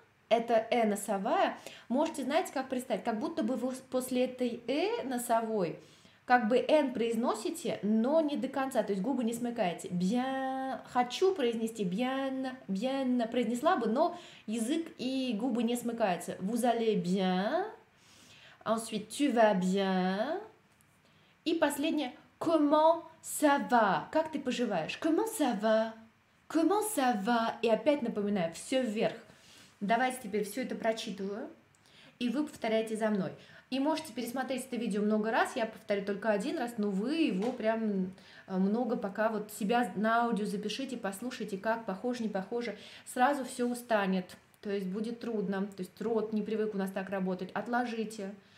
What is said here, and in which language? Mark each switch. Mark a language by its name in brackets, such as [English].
[Russian] Это «э» носовая. Можете, знаете, как представить? Как будто бы вы после этой «э» носовой как бы N произносите, но не до конца, то есть губы не смыкаете. Bien, хочу произнести, bien, bien, произнесла бы, но язык и губы не смыкаются. [French] Vous allez bien, ensuite tu vas bien, [Russian] и последнее, [French] comment ça va, [Russian] как ты поживаешь, [French] comment ça va, comment ça va, [Russian] и опять напоминаю, все вверх. Давайте теперь все это прочитываю, и вы повторяете за мной. И можете пересмотреть это видео много раз, я повторю только один раз, но вы его прям много пока вот себя на аудио запишите, послушайте, как, похоже, не похоже, сразу все устанет, то есть будет трудно, то есть рот не привык у нас так работать, отложите.